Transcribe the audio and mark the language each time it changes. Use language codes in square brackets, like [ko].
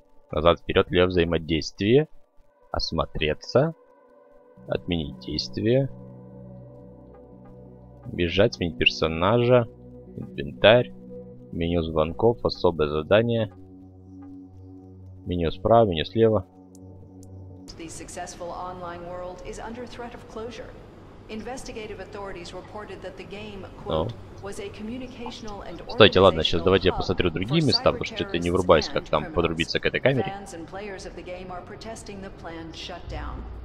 [ru] Назад, вперед, лево, взаимодействие. Осмотреться. Отменить действие. Бежать, сменить персонажа. Инвентарь. Меню звонков, особое задание. Меню справа, меню слева. [en] The successful online world is under threat of closure. Investigative authorities reported that the game, quote, was a communicational and organizational hub. [ru] Стойте, ладно, сейчас давайте я посмотрю другие места, потому что что-то не врубаюсь, как там подрубиться к этой камере. [en] Fans and players of the game are protesting the planned shutdown.